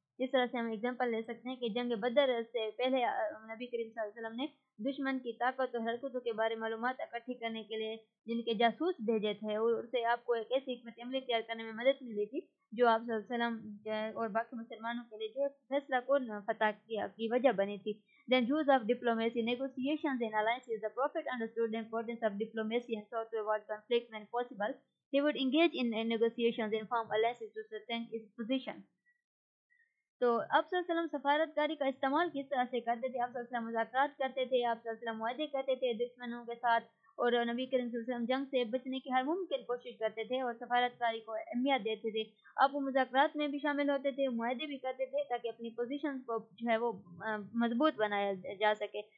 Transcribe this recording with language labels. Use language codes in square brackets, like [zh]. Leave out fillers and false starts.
[ur] اس طرح سے ہم ایگزامپل لے سکتے ہیں کہ جنگ بدر سے پہلے نبی کریم صلی اللہ علیہ وسلم نے دشمن کی طاقت اور حرکتوں کے بارے معلومات اکٹھی کرنے کے لیے جن کے جاسوس بھیجے تھے, اور اسے آپ کو ایک ایسی حکمت عملی تیار کرنے میں مدد ملی تھی جو آپ صلی اللہ علیہ وسلم اور باقی مسلمانوں کے لیے جو فیصلہ کن فتح کی وجہ بنی تھی. [en] Then use of diplomacy, negotiations and alliances. The Prophet understood the importance of diplomacy and sought to avoid conflict when possible. He would engage in negotiations and form alliances to strengthen his position. [ur] تو آپ صلی اللہ علیہ وسلم سفارتکاری کا استعمال کس طرح سے کرتے تھے؟ آپ صلی اللہ علیہ وسلم مذاکرات کرتے تھے, آپ صلی اللہ علیہ وسلم معاہدے کرتے تھے دشمنوں کے ساتھ, اور نبی کریم صلی اللہ علیہ وسلم جنگ سے بچنے کی ہر ممکن کوشش کرتے تھے اور سفارتکاری کو اہمیت دیتے تھے. آپ مذاکرات میں بھی شامل ہوتے تھے, معاہدے بھی کرتے تھے تاکہ اپنی پوزیشنز کو جو ہے وہ مضبوط بنایا جا سکے.